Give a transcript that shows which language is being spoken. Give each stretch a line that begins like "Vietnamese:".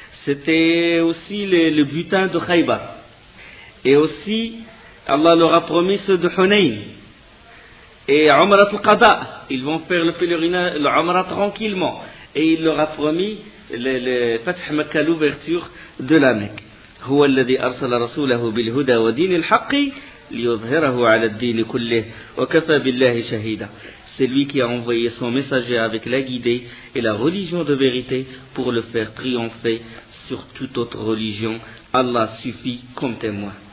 French: C'était aussi le butin de Khaybar. Et aussi... Allah leur a promis ceux de Hunayn. Et Umrat al-Qada, ils vont faire le pèlerinage, le Umrat tranquillement. Et il leur a promis le Fath Makkah, l'ouverture de la Mecque.
Arabic: هو الذي أرسل رسوله بالهدى ودين الحق ليظهره على الدين كله وكفى بالله شهيدا.
French: C'est lui qui a envoyé son messager avec la guidée et la religion de vérité pour le faire triompher sur toute autre religion. Allah suffit comme témoin.